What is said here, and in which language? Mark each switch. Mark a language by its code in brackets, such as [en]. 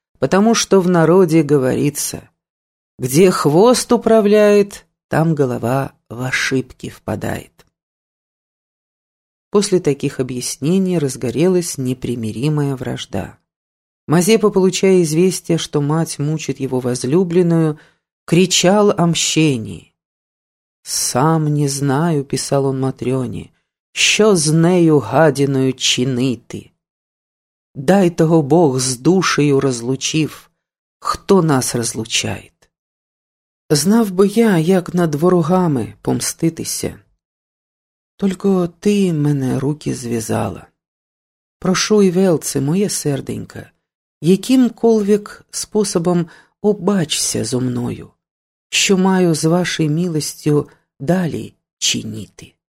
[ru] Потому что в народе говорится, где хвост управляет, там голова в ошибки впадает. После таких объяснений разгорелась непримиримая вражда. Мазепа, получая известие, что мать мучит его возлюбленную, кричал о мщении. «Сам не знаю», — писал он Матрёне, — [uk] «що з нею гадиною чинити? Дай того Бог с душею разлучив, хто нас разлучает? Знав бы я, як над ворогами помститися. Только ты мене руки связала. Прошу и велце, моя серденька, яким колвек способом обачся зо мною, що маю з вашей милостью далі чинити.